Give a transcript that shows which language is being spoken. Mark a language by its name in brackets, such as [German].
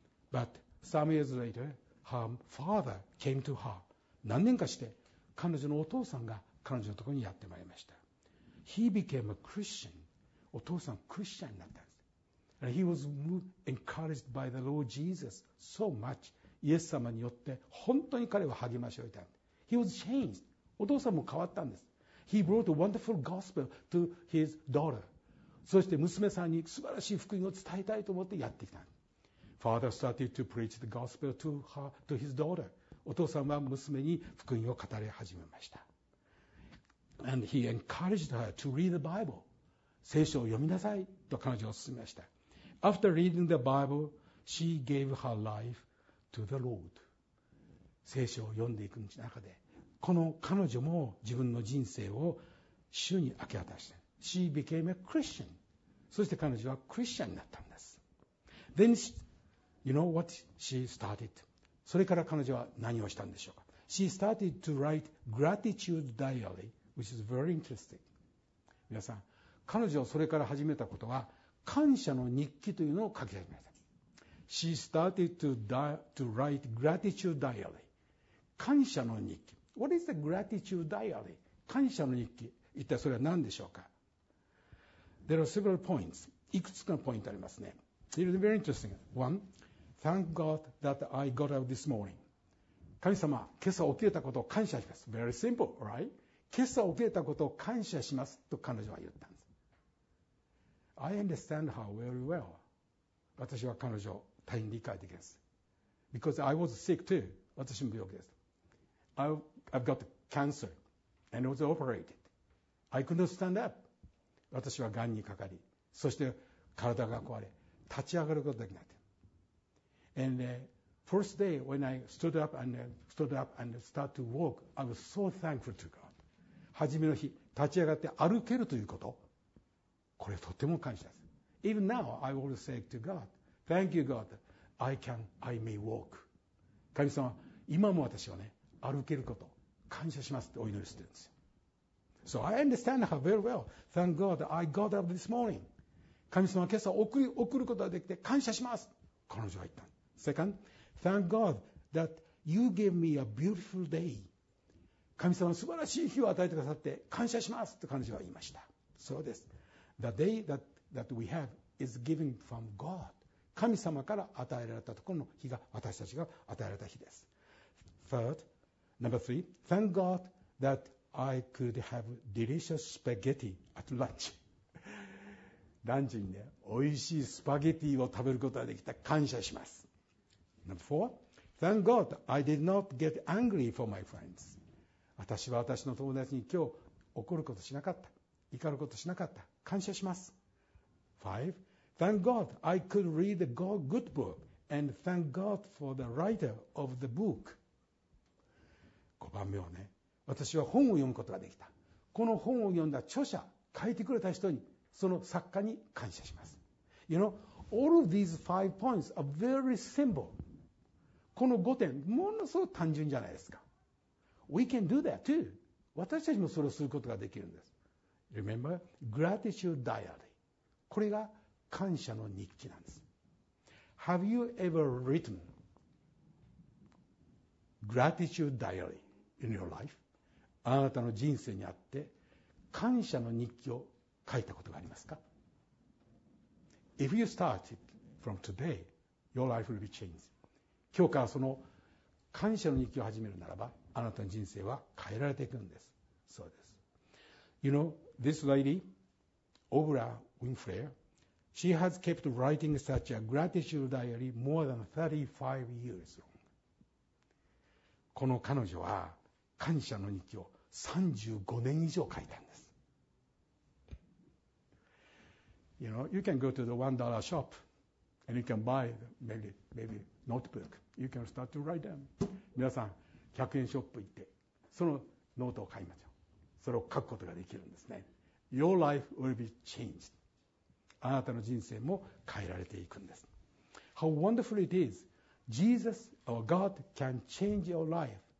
[English] But some years later, her father came to her. [Japanese] 何年かして彼女のお父さんが彼女のところにやってまいりました。 [English] He became a Christian. [Japanese] お父さんクリスチャンになったんです。 [English] And he was encouraged by the Lord Jesus so much. [Japanese] イエス様によって本当に彼は励ましを得たんです。 [English] He was changed. [Japanese] お父さんも変わったんです。 [English] He brought a wonderful gospel to his daughter. [Japanese] そして娘さんに素晴らしい福音を伝えたいと思ってやってきた。 [English] Father started to preach the gospel to her, to his daughter. [Japanese] お父さんは娘に福音を語り始めました。 [English] And he encouraged her to read the Bible. [Japanese] 聖書を読みなさいと彼女を勧めました。 [English] After reading the Bible, she gave her life to the Lord. [Japanese] 聖書を読んでいく中で、この彼女も自分の人生を主に明け渡して、 [English] She became a Christian. [Japanese] そして彼女はクリスチャンになったんです。 [English] Then, you know what she started? [Japanese] それから彼女は何をしたんでしょうか。 [English] She started to write gratitude diary, which is very interesting. [Japanese] 皆さん、彼女をそれから始めたことは、感謝の日記というのを書き始めた。 [English] She started to write gratitude diary. [Japanese] 感謝の日記。 [English] What is the gratitude diary? [Japanese] 感謝の日記。一体それは何でしょうか。 [English] There are several points. [Japanese] いくつかのポイントありますね。 [English] It is very interesting. One, thank God that I got up this morning. [Japanese] 神様、今朝起きれたことを感謝します。 [English] Very simple, right? [Japanese] 今朝起きれたことを感謝しますと彼女は言ったんです。 [English] I understand her very well. [Japanese] 私は彼女を大変理解できます。 [English] Because I was sick too. [Japanese] 私も病気です。 [English] I've got cancer and was operated. I couldn't stand up. [Japanese] 私はがんにかかり、そして体が壊れ、立ち上がることができない。 [English] And First day when I stood up and stood up and start to walk, I was so thankful to God. [Japanese] 初めの日、立ち上がって歩けるということ、これとても感謝です。 [English] Even now, I will say to God, thank you, God, I can, I may walk. [Japanese] 神様、今も私はね、歩けること、感謝しますってお祈りしてるんですよ。 [English] So I understand her very well. Thank God, I got up this morning. [Japanese] 神様、今朝送ることができて感謝します。彼女は言った。 [English] Second,Thank God that you gave me a beautiful day. [Japanese] 神様は素晴らしい日を与えてくださって感謝しますと彼女は言いました。そうです。 [English] The day that we have is given from God. [Japanese] 神様から与えられたところの日が私たちが与えられた日です。 [English] Third, number three, thank God that I could have delicious spaghetti at lunch. [Japanese] ランチにね、美味しいスパゲティを食べることができた感謝します。 [English] Number four, thank God I did not get angry for my friends. [Japanese] 私は私の友達に今日怒ることしなかった、怒ることしなかった、感謝します。 [English] Five, thank God I could read a good book and thank God for the writer of the book. [Japanese] 五番目はね、私は本を読むことができた。この本を読んだ著者、書いてくれた人に、その作家に感謝します。 [English] You know, all of these five points are very simple. [Japanese] この5点、ものすごく単純じゃないですか。 [English] We can do that too. [Japanese] 私たちもそれをすることができるんです。 [English] Remember, gratitude diary. [Japanese] これが感謝の日記なんです。 [English] Have you ever written gratitude diary in your life? [Japanese] あなたの人生にあって感謝の日記を書いたことがありますか? [English] If you start it from today, your life will be changed. [Japanese] 今日からその感謝の日記を始めるならば、あなたの人生は変えられていくんです。そうです。 [English] You know, this lady, Oprah Winfrey, she has kept writing such a gratitude diary more than 35 years long. [Japanese] この彼女は感謝の日記を35年以上書いたんです。 [English] You know, you can go to the $1 shop. And you can buy maybe notebook. You can start to write them. [Japanese] 皆さん、100円ショップ行って、そのノートを買いましょう。それを書くことができるんですね。 [English] Your life will be changed. [Japanese] あなたの人生も変えられていくんです。 [English] How wonderful it is. Jesus, our God, can change your life.